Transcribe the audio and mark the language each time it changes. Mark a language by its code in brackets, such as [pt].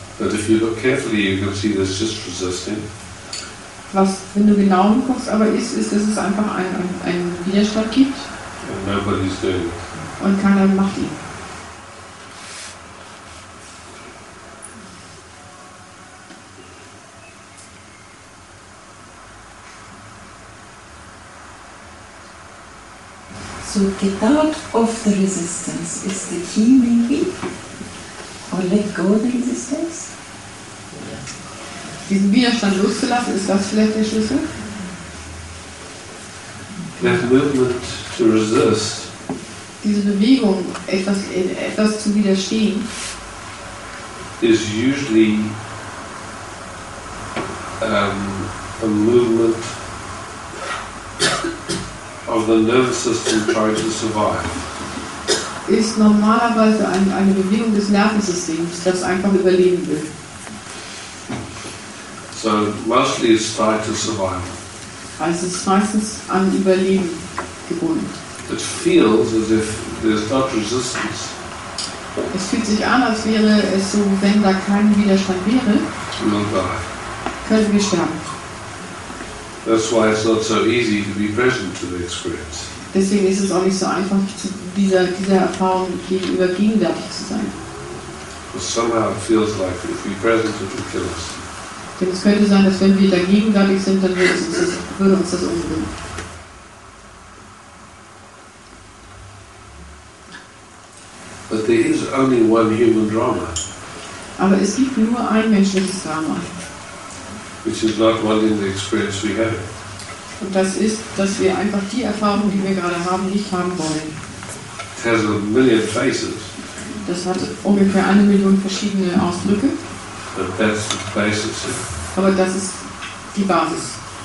[en] But if you look carefully, you can see that it's just resisting. [de] Was, wenn du genau hinguckst, aber ist, dass es einfach einen Widerstand gibt. [en] And nobody's doing it. [de] Und keiner macht ihn. [en] So get out of the resistance is the key, maybe? Or let go of the resistance? [de] Diesen Widerstand loszulassen, ist das vielleicht der Schlüssel? [en] That movement to resist. [de] Diese Bewegung, etwas zu widerstehen, [en] is usually a movement of the nervous system trying to survive. [de] Ist normalerweise eine Bewegung des Nervensystems, das einfach überleben will. [en] So mostly it's tied to survival. [de] Also es ist meistens an Überleben gebunden. [en] It feels as if there's not resistance. [de] Es fühlt sich an, als wäre es so, wenn da kein Widerstand wäre, könnten wir sterben. [en] That's why it's not so easy to be present to the experience. [de] Deswegen ist es auch nicht so einfach, dieser Erfahrung gegenüber gegenwärtig zu sein. [en] But somehow it feels like if we're present, it will kill us. [de] Denn es könnte sein, dass wenn wir da gegenwärtig sind, dann würde uns das umbringen. [en] But there is only one human drama. [de] Aber es gibt nur ein menschliches Drama. [en] Which is not wanting the experience we have. [de] Und das ist, dass wir einfach die Erfahrung, die wir gerade haben, nicht haben wollen. [en] It has a million faces. [de] Das hat ungefähr eine Million verschiedene Ausdrücke. [en] But that's the basis. [de] Aber das ist die Basis.